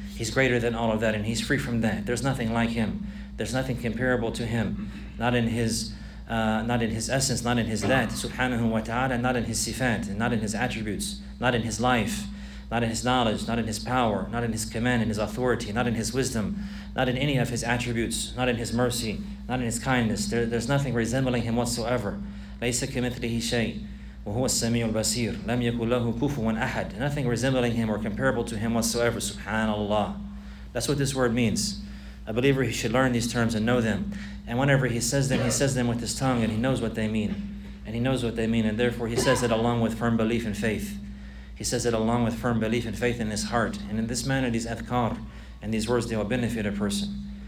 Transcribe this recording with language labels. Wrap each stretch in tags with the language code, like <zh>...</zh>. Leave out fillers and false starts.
<en>He's greater than all of that, and he's free from that. There's nothing like him. There's nothing comparable to him, not in his essence, not in his that, subhanahu wa ta'ala, not in his sifat, not in his attributes, not in his life, not in his knowledge, not in his power, not in his command and his authority, not in his wisdom, not in any of his attributes, not in his mercy, not in his kindness. There's nothing resembling him whatsoever.</en> <ar>Laysa kamithlihi shay. وهو السميع البصير لم يكن له كفوا أحد.</ar> <en>Nothing resembling him or comparable to him whatsoever. Subhanallah. That's what this word means. A believer, he should learn these terms and know them. And whenever he says them with his tongue, and he knows what they mean. And he knows what they mean, and therefore he says it along with firm belief and faith. He says it along with firm belief and faith in his heart. And in this manner, these adhkar and these words, they will benefit a person.</en>